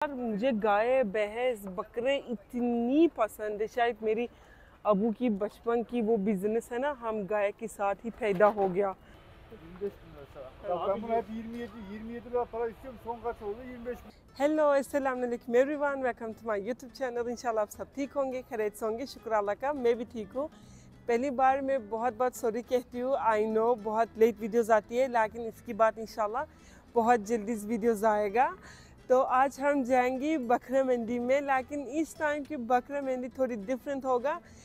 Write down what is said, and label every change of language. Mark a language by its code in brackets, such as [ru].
[hi] यार मुझे गाय भैंस बकरे इतनी पसंद है। शायद मेरी अबू की बचपन की वो बिजनेस है ना, हम गाय के साथ ही पैदा हो गया। [tr] 25 bin lira. Ya ben buna hep 27, 27 lira para istiyorum. Son kaç oldu? 25 bin. [en] Hello, assalamu alaikum everyone. Welcome to my YouTube channel. [hi] इंशाल्लाह आप सब ठीक होंगे, खैरियत से होंगे, शुक्र अल्लाह का। मैं भी ठीक हूँ। पहली बार मैं बहुत बहुत सॉरी कहती हूँ, [en] I know [hi] बहुत लेट वीडियोज़ आती है, लेकिन इसके बाद इंशाल्लाह बहुत जल्दी इस वीडियोज़ आएगा। तो आज हम जाएंगे बकरे मंडी में, लेकिन इस टाइम की बकरे मंडी थोड़ी डिफरेंट होगा।